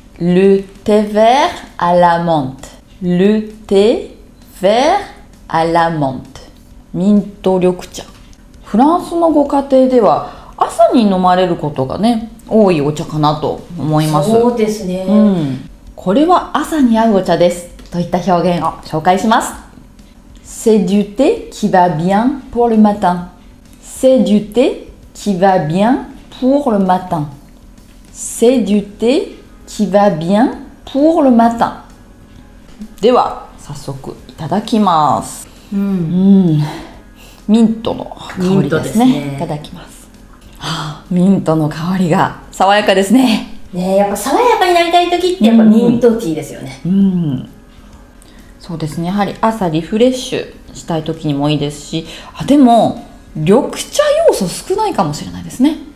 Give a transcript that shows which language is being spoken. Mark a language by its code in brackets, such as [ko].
[ja] ルテヴェールアラモント、ルテヴェールアラモント、ミント緑茶。フランスのご家庭では朝に飲まれることがね多いお茶かなと思います。そうですね、うん、これは朝に合うお茶ですといった表現を紹介します。 [fr] C'est du thé qui va bien pour le matin. C'est du thé qui va bien pour le matin. C'est du thé qui va bien pour le matin. [ja] では早速いただきます。うん、うん、ミントの香りですね。いただきます。ミントの香りが爽やかですね。ねえ、やっぱ爽やかになりたい時ってやっぱミントティーですよね。うん、そうですね、やはり朝リフレッシュしたい時にもいいですし、あ、でも緑茶要素少ないかもしれないですね。